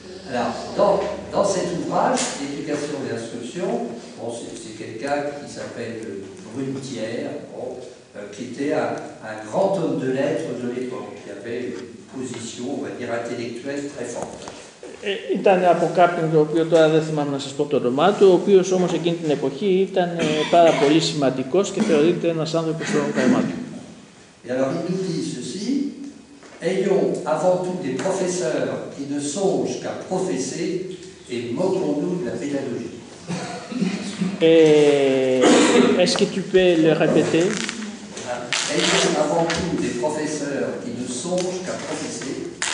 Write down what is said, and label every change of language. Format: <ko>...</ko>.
<fr>Alors, dans cet ouvrage, Éducation et Instruction, bon, c'est quelqu'un qui s'appelle Brunetière, bon, qui était un grand homme de lettres de l'époque, qui avait une position, on va dire, intellectuelle très forte.</fr> <el>Ήταν από κάποιον, το οποίο τώρα δεν θυμάμαι να σας πω το όνομά του, ο οποίος όμως εκείνη την εποχή ήταν πάρα πολύ σημαντικός και θεωρείται ένας άνθρωπος των καρμάτων.</el> <fr>Et alors il nous dit ceci, ayons avant tout des professeurs qui ne songent qu'à professer et moquons-nous de la pédagogie. Est-ce que tu peux le répéter? Ayons avant tout des professeurs qui ne songent qu'à professer.</fr>